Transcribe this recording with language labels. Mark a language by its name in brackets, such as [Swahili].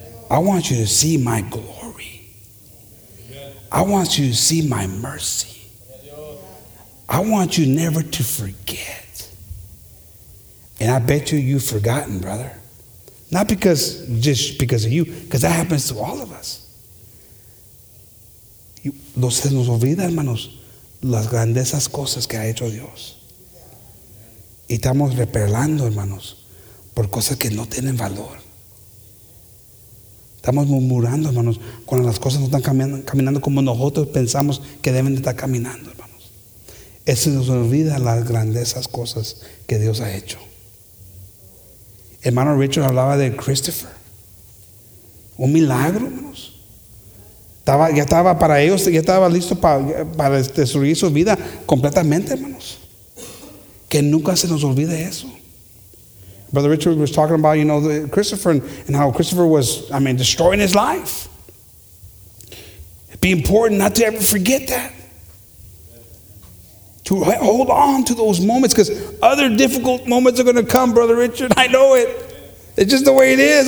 [English] I want you to see my glory. I want you to see my mercy. I want you never to forget. And I bet you've forgotten, brother. Not because, just because of you, because that happens to all of us. [Spanish] Se nos olvida, hermanos, las grandezas cosas que ha hecho Dios. Y estamos reperlando, hermanos, por cosas que no tienen valor. Estamos murmurando, hermanos, cuando las cosas no están caminando como nosotros pensamos que deben de estar caminando, hermanos. Se nos olvida las grandezas cosas que Dios ha hecho. Hermano Richard hablaba de Christopher. Un milagro, hermanos. Ya estaba para ellos, ya estaba listo para destruir su vida completamente, hermanos. Que nunca se nos olvide eso. [English] Brother Richard was talking about, you know, Christopher and how Christopher was, I mean, destroying his life. It'd be important not to ever forget that. To hold on to those moments, because other difficult moments are going to come, Brother Richard. I know it. It's just the way it is.